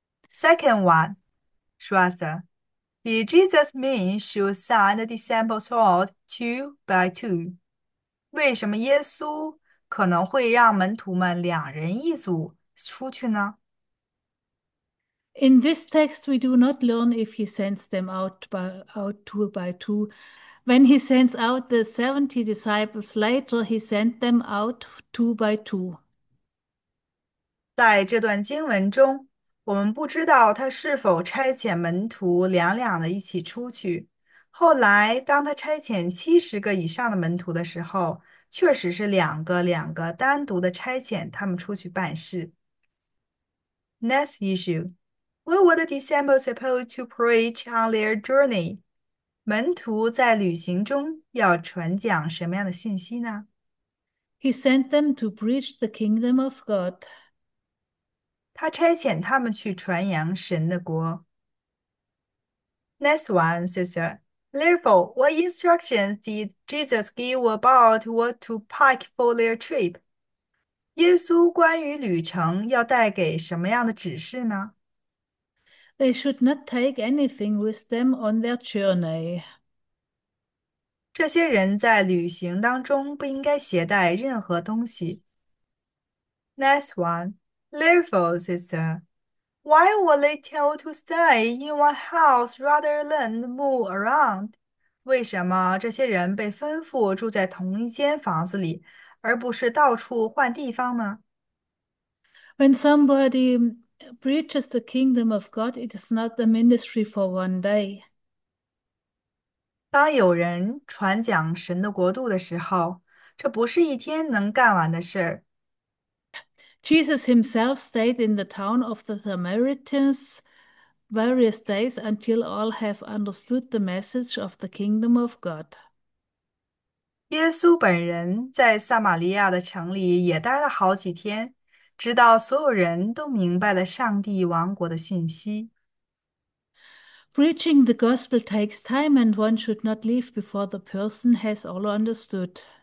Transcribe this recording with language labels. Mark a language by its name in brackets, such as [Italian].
[English] Second one, Shrestha, did Jesus mean should sign the disciples out two by two? [Chinese] 为什么耶稣可能会让门徒们两人一组出去呢？ [English] In this text, we do not learn if he sends them out two by two. When he sends out the 70 disciples later, he sent them out two by two. [Chinese] 在这段经文中，我们不知道他是否差遣门徒两两的一起出去。后来，当他差遣70个以上的门徒的时候，确实是两个两个单独的差遣他们出去办事。 [English] Next issue: Where were the disciples supposed to preach on their journey? [Chinese] 门徒在旅行中要传讲什么样的信息呢？ [English] He sent them to preach the kingdom of God. [Chinese] 他差遣他们去传扬神的国。 [English] Next one, sister. Therefore, what instructions did Jesus give about what to pack for their trip? [Chinese] 耶稣关于旅程要带给什么样的指示呢？ [English] They should not take anything with them on their journey. [Chinese] 这些人在旅行当中不应该携带任何东西。 [English] Next one. Therefore, sister, why were they told to stay in one house rather than move around? [Chinese] 为什么这些人被吩咐住在同一间房子里，而不是到处换地方呢？ [English] When somebody preaches the kingdom of God, it is not the ministry for one day. [Chinese] 当有人传讲神的国度的时候，这不是一天能干完的事儿。 [English] Jesus himself stayed in the town of the Samaritans various days until all have understood the message of the kingdom of God. [Chinese] 耶稣本人在撒玛利亚的城里也待了好几天，直到所有人都明白了上帝王国的信息。 [English] Preaching the gospel takes time, and one should not leave before the person has all understood.